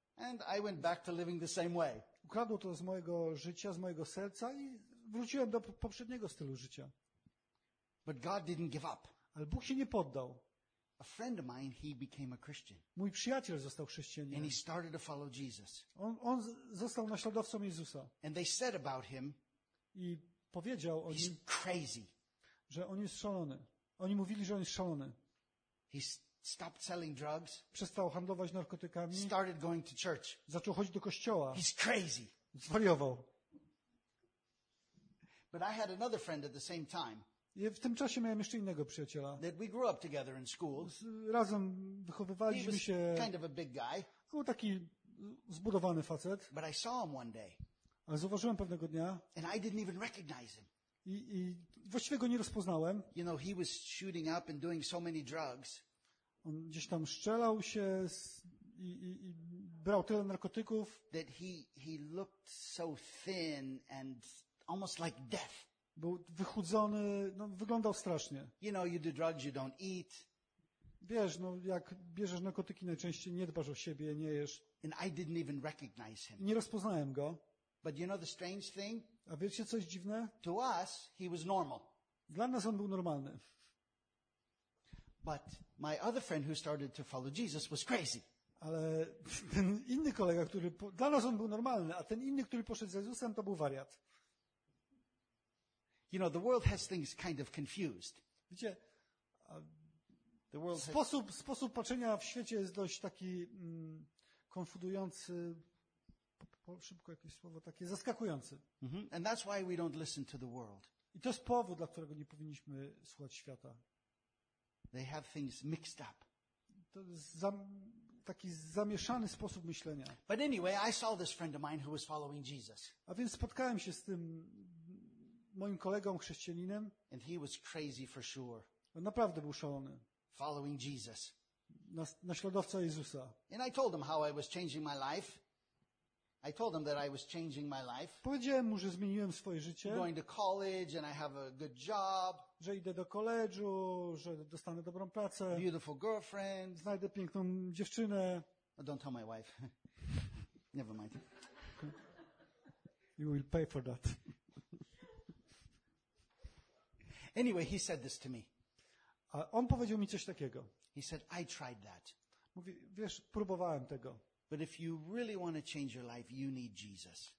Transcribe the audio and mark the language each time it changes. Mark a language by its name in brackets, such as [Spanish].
[English] And I went back to living the same way. [Polish] Ukradło to z mojego życia, z mojego serca i wróciłem do poprzedniego stylu życia. [English] But God didn't give up. [Polish] Ale Bóg się nie poddał. [English] A friend of mine, he became a Christian. [Polish] Mój przyjaciel został chrześcijaninem. [English] And he started to follow Jesus. [Polish] On został naśladowcą Jezusa. [English] And they said about him, [Polish] i powiedział o nim, [English] crazy. [Polish] Że on jest szalony. Oni mówili, że on jest szalony. [English] He stopped selling drugs. [Polish] Przestał handlować narkotykami. [English] Started going to church. [Polish] Zaczął chodzić do kościoła. [English] He's crazy. [Polish] Zwariował. [English] But I had another friend at the same time. [Polish] I w tym czasie miałem jeszcze innego przyjaciela. [English] We grew up together in school. [Polish] Razem wychowywaliśmy się. [English] Kind of a big guy. [Polish] Był taki zbudowany facet. [English] But I saw him one day. [Polish] Ale zauważyłem pewnego dnia. [English] And I didn't even recognize him. [Polish] I właściwie go nie rozpoznałem. [English] You know, he was shooting up and doing so many drugs. [Polish] On gdzieś tam strzelał się i brał tyle narkotyków. [English] That he looked so thin and almost like death. [Polish] Był wychudzony, no, wyglądał strasznie. [English] You know, you do drugs, you don't eat. [Polish] Wiesz, no, jak bierzesz narkotyki, najczęściej nie dbasz o siebie, nie jesz. [English] And I didn't even recognize him. [Polish] Nie rozpoznałem go. [English] But you know the strange thing? [Polish] A wiecie, co jest dziwne? [English] To us, he was normal. [Polish] Dla nas on był normalny. [English] But my other friend who started to follow Jesus was crazy. [Polish] Ale ten inny kolega, który... Dla nas on był normalny, a ten inny, który poszedł z Jezusem, to był wariat. [English] You know, the world has things kind of confused. [Polish] Wiecie, Sposób patrzenia w świecie jest dość taki konfundujący, szybko jakieś słowo, takie zaskakujący. [English] And that's why we don't listen to the world. [Polish] I to jest powód, dla którego nie powinniśmy słuchać świata. [English] They have things mixed up. [Polish] To jest taki zamieszany sposób myślenia. [English] But anyway, I saw this friend of mine who was following Jesus. [Polish] A więc spotkałem się z tym moim kolegą chrześcijaninem. [English] And he was crazy for sure. [Polish] On naprawdę był szalony. [English] Following Jesus. [Polish] Naśladowca Jezusa. [English] And I told him how I was changing my life. I told him that I was changing my life. [Polish] Powiedziałem mu, że zmieniłem swoje życie. [English] Going to college and I have a good job. [Polish] Że idę do koledżu, że dostanę dobrą pracę. [English] Beautiful girlfriend. [Polish] Znajdę piękną dziewczynę. [English] Oh, don't tell my wife. Never mind. You will pay for that. Anyway, he said this to me. [Polish] A on powiedział mi coś takiego. [English] He said, I tried that. [Polish] Mówi, wiesz, próbowałem tego. [English] But if you really want to change your life, you need Jesus.